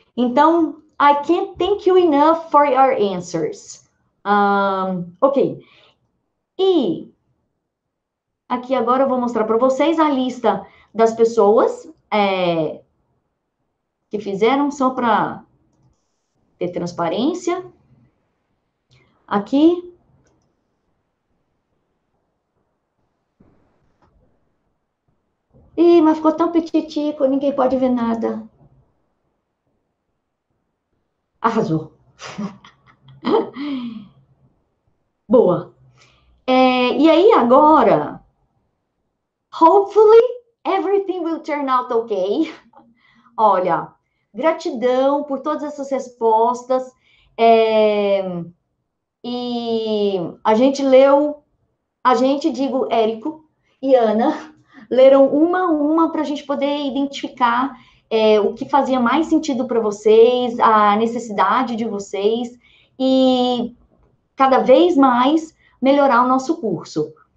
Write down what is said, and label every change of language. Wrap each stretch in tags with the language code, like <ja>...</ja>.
<en>Então, I can't thank you enough for your answers. Ok.</en> <pt>E aqui agora eu vou mostrar para vocês a lista das pessoas que fizeram, só para ter transparência. Aqui. Ih, mas ficou tão pititico, ninguém pode ver nada. Arrasou. Boa. E aí, agora?</pt> <en>Hopefully, everything will turn out okay.</en> <pt>Olha, gratidão por todas essas respostas. E a gente leu, a gente, digo, Érico e Ana. Leram uma a uma para a gente poder identificar o que fazia mais sentido para vocês, a necessidade de vocês, e cada vez mais melhorar o nosso curso.</pt>